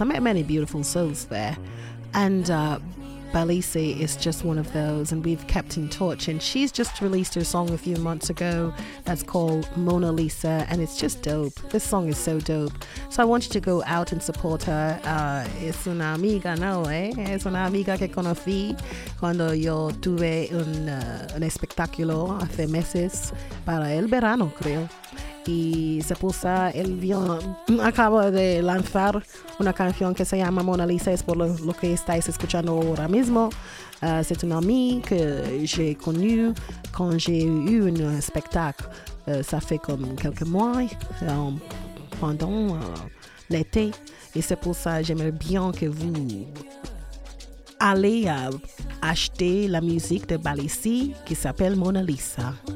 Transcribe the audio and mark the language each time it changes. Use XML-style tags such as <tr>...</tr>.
<en>I met many beautiful souls there, and Balise is just one of those, and we've kept in touch, and she's just released her song a few months ago that's called Mona Lisa, and it's just dope. This song is so dope, so I want you to go out and support her.</en> <es>Es una amiga, ¿no? Es una amiga que conocí cuando yo tuve un espectáculo hace meses para el verano, creo. Y se puso el violín. Acabo de lanzar una canción que se llama Mona Lisa, es por lo que estáis escuchando ahora mismo.</es> <fr>C'est une amie que j'ai connue quand j'ai eu un spectacle. Ça fait comme quelques mois. Pendant l'été. Et c'est pour ça que j'aimerais bien que vous allez acheter la musique de Balissi qui s'appelle Mona Lisa.</fr>